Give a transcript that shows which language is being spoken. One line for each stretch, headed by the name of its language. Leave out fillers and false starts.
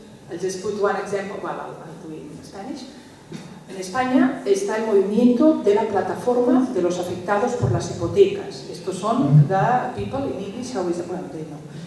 English: I'll just put one example while I'll do it in Spanish.
Spanish: En España está el movimiento de la plataforma de los afectados por las hipotecas. Estos son
English: the people in English, always, bueno, they know.